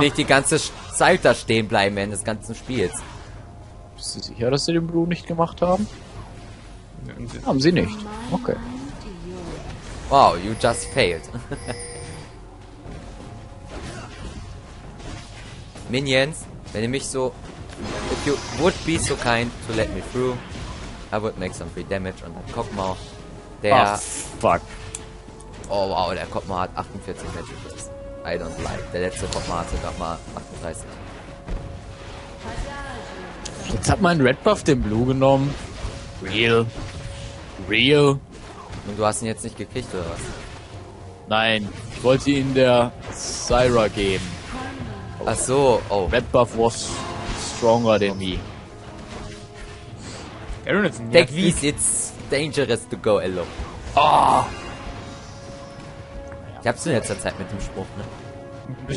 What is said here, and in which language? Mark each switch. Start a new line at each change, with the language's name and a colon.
German: nicht die ganze Zeit da stehen bleiben während des ganzen Spiels. Bist du sicher, dass sie den Blue nicht gemacht haben? Nein. Haben sie nicht. Okay.
English: Wow, you just failed.
German: Minions, wenn ihr mich so.
English: If you would be so kind to let me through, I would make some free damage on that Kog'Maw. Ah,
German: Der. fuck. Oh wow, der Kog'Maw hat 48 Magicals.
English: I don't like.
German: Der letzte Kog'Maw hatte doch mal 38. Jetzt hat mein Red Buff den Blue genommen.
English: Real. Real.
German: Und du hast ihn jetzt nicht gekriegt, oder was? Nein, wollte ihn der Syra geben. Oh. Ach so, oh.
English: Red Buff was stronger than me. Aaron, it's Deck Wies, it's dangerous to go alone. Oh.
German: Ich hab's in letzter Zeit mit dem Spruch, ne?